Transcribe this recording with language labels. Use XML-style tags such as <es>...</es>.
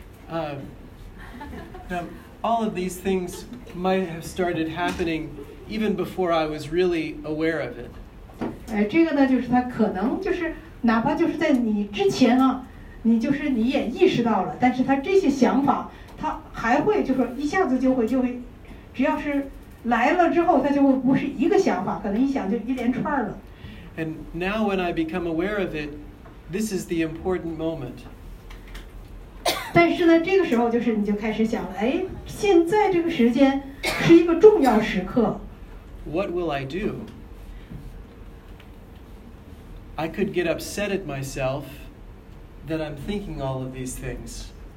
<en>Now, all of these things might have started happening even before I was really aware of it.</en> <zh>这个呢，就是它可能就是哪怕就是在你之前啊，你就是你也意识到了，但是它这些想法，它还会就是一下子就会，只要是。来了之后，他就不是一个想法，可能一想就一连串了。</zh> <en>And now, when I become aware of it, this is the important moment.</en> <zh>但是呢，这个时候就是你就开始想了，哎，现在这个时间是一个重要时刻。</zh> <en>What will I do? I could get upset at myself that I'm thinking all of these things.</en>